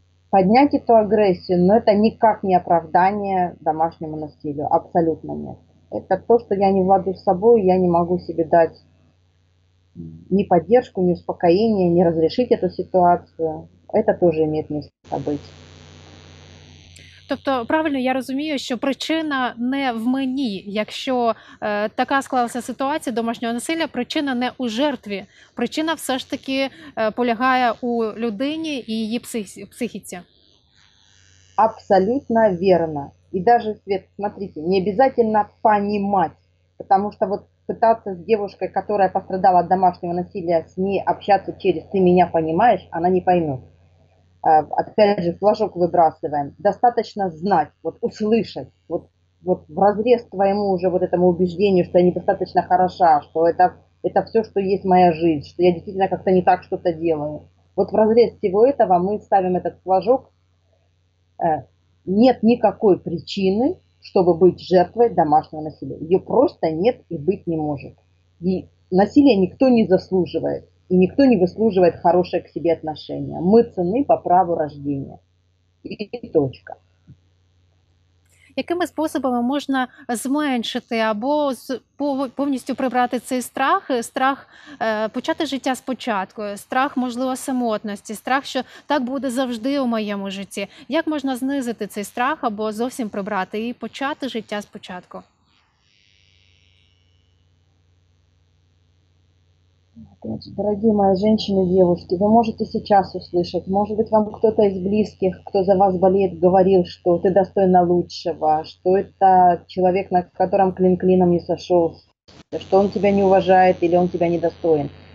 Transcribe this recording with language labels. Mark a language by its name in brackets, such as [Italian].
[Russian] Поднять эту агрессию, но это никак не оправдание домашнему насилию. Абсолютно нет. Это то, что я не владу с собой, я не могу себе дать ни поддержку, ни успокоение, ни разрешить эту ситуацию. Это тоже имеет место быть. [Ukrainian] Тобто, правильно я розумію, що причина не в мені, якщо така склалася ситуація домашнього насилля, причина не у жертві. Причина все ж таки полягає у людині і її психіці. Абсолютно вірно. І навіть, Свет, [Russian] смотрите, [Ukrainian] не обов'язково розуміти, тому що [Russian] вот пытаться [Ukrainian] з дівчиною, яка [Russian] пострадала [Ukrainian] від домашнього насилля, [Russian] з ней общаться [Ukrainian] через «ти мене розумієш», [Russian] вона не поймет. Опять же, флажок выбрасываем. Достаточно знать, вот услышать, вот, вот в разрез твоему уже вот этому убеждению, что я недостаточно хороша, что это все, что есть моя жизнь, что я действительно как-то не так что-то делаю. Вот в разрез всего этого мы ставим этот флажок. Нет никакой причины, чтобы быть жертвой домашнего насилия. Ее просто нет и быть не может. И насилие никто не заслуживает. И никто не выслуживает хорошее к себе отношение. Мы ценны по праву рождения. И точка. [Ukrainian] Якими способами можна зменшити або повністю прибрати цей страх? Страх почати життя спочатку, страх, можливо, самотності, страх, що так буде завжди у моєму житті. Як можна знизити цей страх або зовсім прибрати і почати життя спочатку? [Russian] Дорогие мои женщины, девушки, вы можете сейчас услышать, может быть, вам кто-то из близких, кто за вас болеет, говорил, что ты достойна лучшего, что это человек, на котором клин клином не сошелся, что он тебя не уважает или он тебя недостоин.